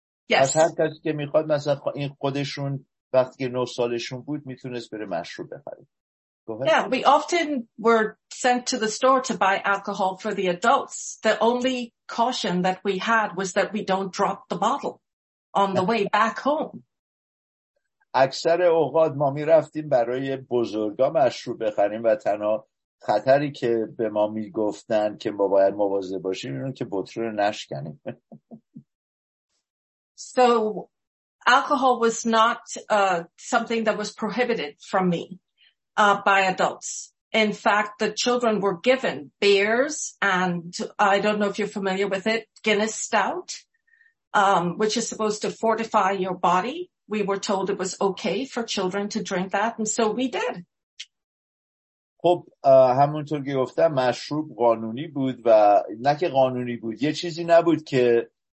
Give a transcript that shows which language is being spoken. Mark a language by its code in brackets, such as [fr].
[fa] هر کسی که میخواد، مثلا این خودشون وقتی که 9 سالشون بود میتونست بره مشروب بخری. [en] Yeah, we often were sent to the store to buy alcohol for the adults. The only caution that we had was that we don't drop the bottle on the way back home. [fa] اکثر اوقات ما می رفتیم برای بزرگا مشروب بخریم و تنها خطری که به ما می گفتن که ما باید مواظب باشیم اینو که بطری رو نشکنیم. [en] So alcohol was not something that was prohibited from me by adults. In fact, the children were given beers and I don't know if you're familiar with it, Guinness Stout, which is supposed to fortify your body. We were told it was okay for children to drink that and so we did. [fa] خب همونطور که گفتم مشروب قانونی بود و نه که قانونی بود، یه چیزی نبود که